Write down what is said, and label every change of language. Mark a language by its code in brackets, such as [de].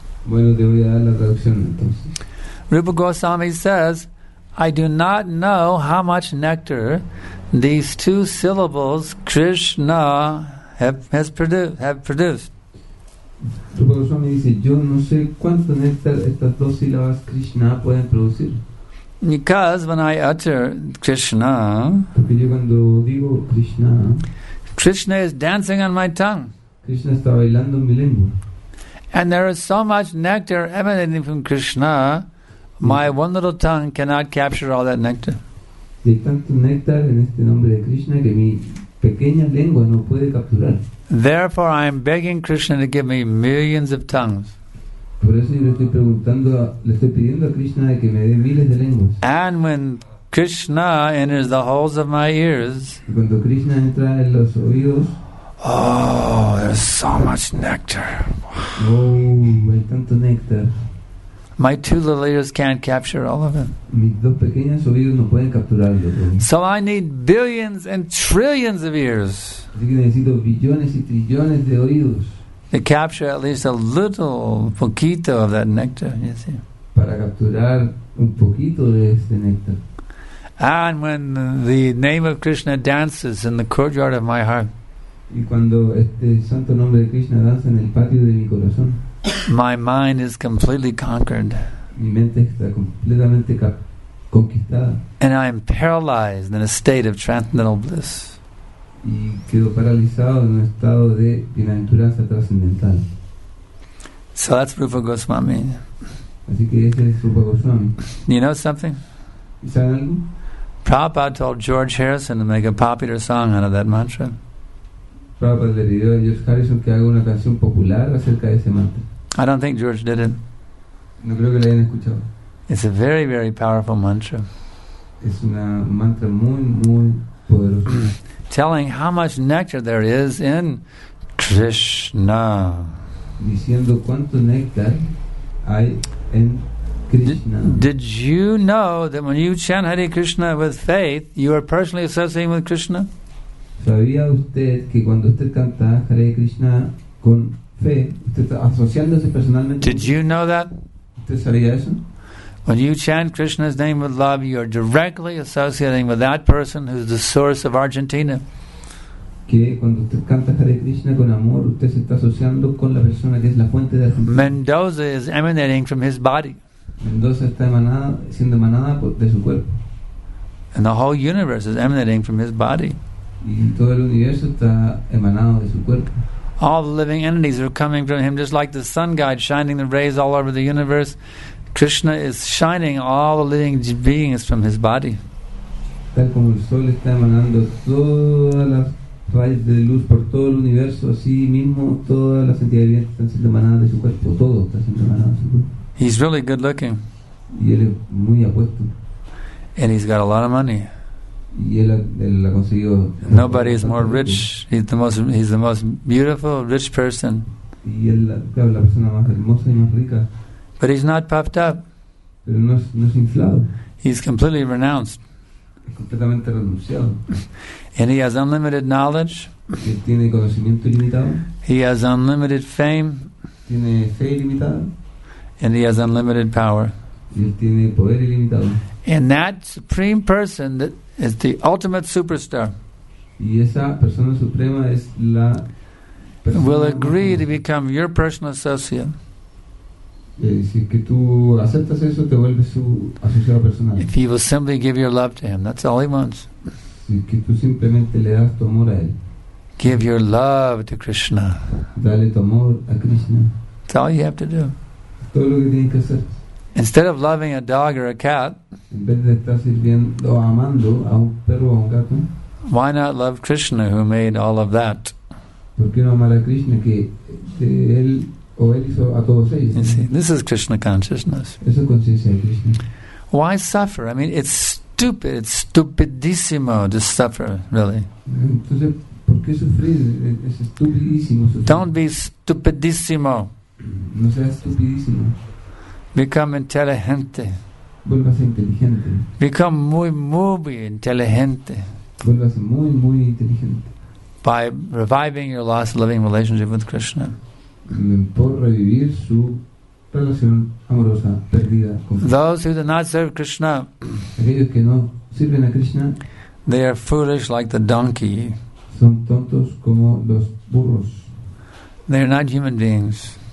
[es] Bueno, te voy a dar la traducción entonces. [en] Rupa Goswami says, I do not know how much nectar these two syllables Krishna have produced. [es] Rupa Goswami dice, yo no sé cuánto néctar estas dos sílabas Krishna pueden producir. [en] Because when I utter Krishna, [es] porque yo cuando digo Krishna, [en] Krishna is dancing on my tongue. [es] Krishna está bailando en mi lengua. [en] And there is so much nectar emanating from Krishna, my one little tongue cannot capture all that nectar. [es] Y hay tanto néctar en este nombre de Krishna que mi pequeña lengua no puede capturar. [en] Therefore, I am begging Krishna to give me millions of tongues. [es] Por eso yo le estoy pidiendo a Krishna que me dé miles de lenguas. [en] And when Krishna enters the holes of my ears, [es] cuando Krishna entra en los oídos, [en] Oh, there's so much nectar. [es] Oh, hay tanto néctar. [en] My two little ears can't capture all of it. [es] Mis dos pequeños oídos no pueden capturarlo. [en] So I need billions and trillions of ears. [es] Así que necesito billones y trillones de oídos. [en] To capture at least a little poquito of that nectar, you see. [es] Para capturar un poquito de este néctar. [en] And when the name of Krishna dances in the courtyard of my heart, [es] y cuando este santo nombre de Krishna danza en el patio de mi corazón, [en] my mind is completely conquered. [es] Mi mente está completamente conquistada. [en] And I am paralyzed in a state of transcendental bliss. [es] Y quedo paralizado en un estado de bienaventuranza trascendental. [en] So that's Rupa Goswami. [es] Así que ese es Rupa Goswami. [en] You know something? [es] ¿Y saben algo? [en] Prabhupada told George Harrison to make a popular song out of that mantra. [es] Prabhupada le pidió a George Harrison que haga una canción popular acerca de ese mantra. [en] I don't think George did it. [es] No creo que le hayan escuchado. [en] It's a very, very powerful mantra. [es] Es una mantra muy, muy poderosa. [en] Telling how much nectar there is in Krishna. [es] Diciendo cuánto néctar hay en Krishna. [en] Did you know that when you chant Hare Krishna with faith, you are personally associating with Krishna? [es] ¿Sabía usted que cuando usted canta Hare Krishna con fe, usted está asociándose personalmente? [en] Did you know that? [es] ¿Usted sabía eso? [en] When you chant Krishna's name with love, you are directly associating with that person who is the source of Argentina. [es] Que cuando usted canta Hare Krishna con amor, usted se está asociando con la persona que es la fuente de Argentina. [en] Mendoza is emanating from his body. [es] Mendoza está siendo emanada de su cuerpo. [en] And the whole universe is emanating from his body. [es] Y todo el universo está emanado de su cuerpo. [en] All the living entities are coming from him, just like the sun guide shining the rays all over the universe. Krishna is shining all the living beings from his body. [es] Tal como el sol está emanando todas las rayas de luz por todo el universo, así mismo todas las entidades vivientes están siendo emanadas de su cuerpo. Todo está siendo emanado de su cuerpo. [en] He's really good looking. [es] Y él es muy apuesto. [en] And he's got a lot of money. [es] Y él ha conseguido. [en] Nobody is more rich. He's the most beautiful rich person. [es] Y él es la persona más hermosa y más rica. [en] But he's not puffed up. [es] Pero no es inflado. [en] He's completely renounced. [es] Es completamente renunciado. [en] And he has unlimited knowledge. [es] Y tiene conocimiento ilimitado. [en] He has unlimited fame. [es] Tiene fe ilimitada. [en] And he has unlimited power. [es] Y tiene poder ilimitado. [en] And that supreme person that is the ultimate superstar. [es] Y esa persona suprema es la persona [en] will agree to become your personal associate. [es] Si que tú aceptas eso, te vuelves su asociado personal. [en] If you will simply give your love to him, that's all he wants. [es] Si que tú simplemente le das tu amor a él. [en] Give your love to Krishna. [es] Dale tu amor a Krishna. [en] That's all you have to do. [es] Todo lo que tienes que hacer. [en] Instead of loving a dog or a cat, [es] en vez de estar sirviendo o amando a un perro o a un gato, [en] why not love Krishna who made all of that? [es] ¿Por qué no amar a Krishna que él o él hizo a todos ellos? [en] You see, this is Krishna consciousness. [es] Eso es conciencia de Krishna. [en] Why suffer? I mean, it's stupidissimo to suffer, really. [es] Entonces, ¿por qué sufrir? Es estupidísimo sufrir. [en] Don't be stupidissimo. [es] No seas estupidísimo. [en] Become inteligente. [es] Vuelvas inteligente. [en] Become [es] muy, muy inteligente. Vuelvas muy, muy inteligente. [en] By reviving your lost living relationship with Krishna. [es] Por revivir su relación amorosa perdida con Krishna. [en] Those who do not serve Krishna, [es] aquellos que no sirven a Krishna, [en] they are foolish like the donkey. [es] Son tontos como los burros. [en] They are not human beings.